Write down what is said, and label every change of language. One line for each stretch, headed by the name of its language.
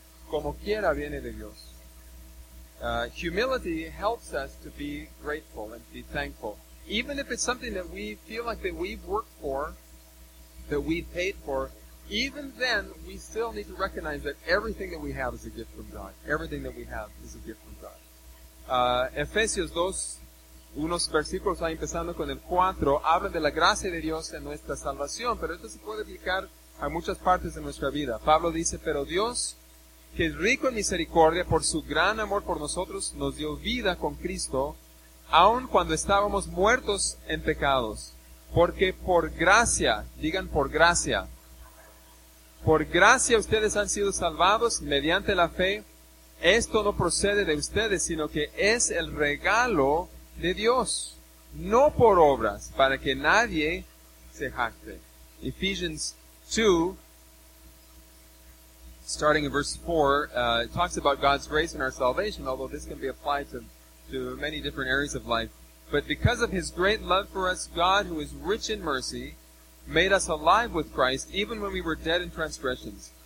Spanish: Como quiera viene de Dios.
English: Humility helps us to be grateful and be thankful. Even if it's something that we feel like that we've worked for, that we've paid for, even then, we still need to recognize that everything that we have is a gift from God. Everything that we have is a gift from God.
Spanish: Efesios 2, unos versículos ahí empezando con el 4, habla de la gracia de Dios en nuestra salvación, pero esto se puede aplicar a muchas partes de nuestra vida. Pablo dice, pero Dios, que es rico en misericordia, por su gran amor por nosotros, nos dio vida con Cristo, aun cuando estábamos muertos en pecados. Porque por gracia, digan por gracia, por gracia ustedes han sido salvados mediante la fe. Esto no procede de ustedes, sino que es el regalo de Dios. No por obras, para que nadie se jacte.
English: Ephesians 2, starting in verse 4, talks about God's grace and our salvation, although this can be applied to many different areas of life. But because of his great love for us, God, who is rich in mercy, made us alive with Christ, even when we were dead in transgressions.